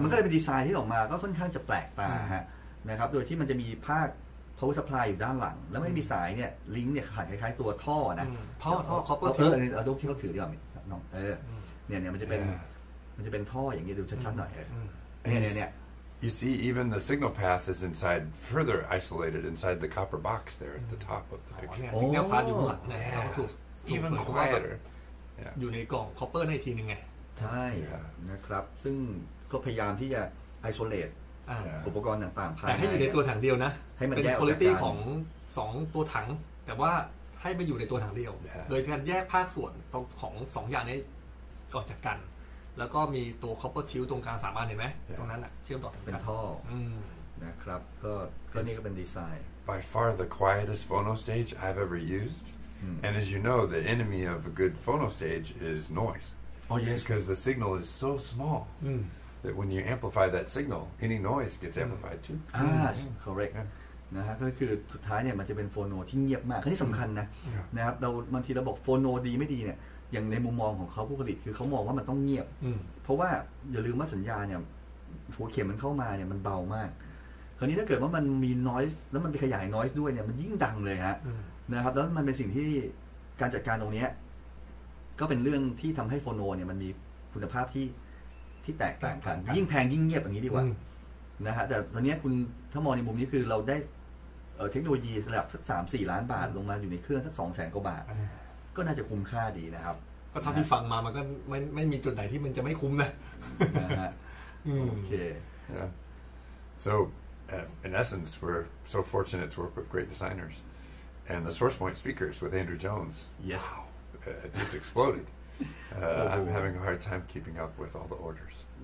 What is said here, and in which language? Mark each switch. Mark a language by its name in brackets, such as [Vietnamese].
[Thai] มันก็เลยเป็นดีไซน์ที่ออกมาก็ค่อนข้างจะแปลกตาฮะนะครับโดยที่มันจะมีภาคpower supply อยู่ด้านหลังแล้วไม่มีสายเนี่ยลิงก์เนี่ยขาดคล้ายๆตัวท่อนะ ท่อ copper tube อันนี้เอาดูที่เขาถือดีกว่าน้องเนี่ยมันจะเป็นท่ออย่างเงี้ยดูชัดๆหน่อยเนี่ย [English] you see, even the signal path is inside, further isolated inside the copper box there at the top of the picture. Oh, signal path is in the even quieter. You're in the copper in a time, right? Yes. [Thai] So, พยายามที่จะ isolate อุปกรณ์ต่างๆ ภายในแต่ให้อยู่ในตัวถังเดียวนะ ให้มันแยก เป็น [English] quality [Thai] ของ2ตัวถังแต่ว่าให้ไปอยู่ในตัวถังเดียวโดยการแยกภาคส่วนของ2อย่างนี้ก่อนจากกันแล้วก็มีตัว copper tube ตรงกลางสามารถเห็นไหมตรงนั้นอ่ะเชื่อมต่อ เป็นท่อนะครับก็นี่ก็เป็นดีไซน์ [English] by far the quietest phono stage I've ever used and as you know the enemy of a good phono stage is noise oh yes because the signal is so small that when you amplify that signal any noise gets amplified too [Thai] correct นะฮะก็คือสุดท้ายเนี่ยมันจะเป็นโฟโนที่เงียบมากที่สำคัญนะนะครับเราบางทีเราบอกโฟโนดีไม่ดีเนี่ยอย่างในมุมมองของเขาผู้ผลิตคือเขามองว่ามันต้องเงียบเพราะว่าอย่าลืมว่าสัญญาเนี่ยหัวเข็มมันเข้ามาเนี่ยมันเบามากคราวนี้ถ้าเกิดว่ามันมี noise แล้วมันไปขยาย noise ด้วยเนี่ยมันยิ่งดังเลยฮะนะครับแล้วมันเป็นสิ่งที่การจัดการตรงนี้ ก็เป็นเรื่องที่ทำให้โฟโนเนี่ยมันมีคุณภาพที่แตกต่างกันยิ่งแพงยิ่งเงียบอย่างนี้ดีกว่านะฮะแต่ตอนนี้คุณถ้ามองในมุมนี้คือเราได้เทคโนโลยีระดับสัก 3-4 ล้านบาทลงมาอยู่ในเครื่องสัก 200,000 กว่าบาทก็น่าจะคุ้มค่าดีนะครับ ก็เท่าที่ฟังมามันก็ไม่มีจุดไหนที่มันจะไม่คุ้มนะ โอเค [English] so in essence we're so fortunate to work with great designers and the source point speakers with Andrew Jones yes just explodedI'm having a hard time keeping up with all the orders.